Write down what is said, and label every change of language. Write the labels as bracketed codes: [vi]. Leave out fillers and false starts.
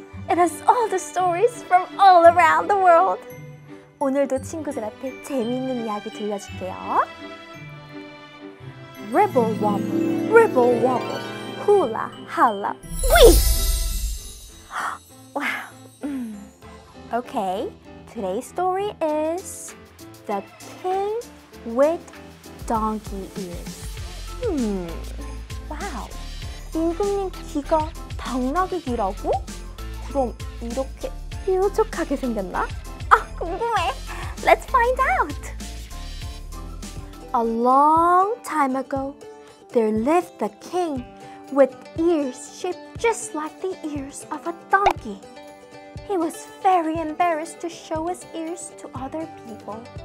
[en] It has all the stories from all around the world. [ko] 오늘도 친구들 앞에 재미있는 이야기 들려줄게요. [en] Ribble wobble, ribble wobble, hula holla, wee! Wow. Okay, today's story is The King with Donkey Ears. Wow. [ko] 임금님 귀가 당나귀 귀라고? 그럼 이렇게 뾰족하게 생겼나? 아, 궁금해. [en] Let's find out. A long time ago, there lived a king with ears shaped just like the ears of a donkey. He was very embarrassed to show his ears to other people.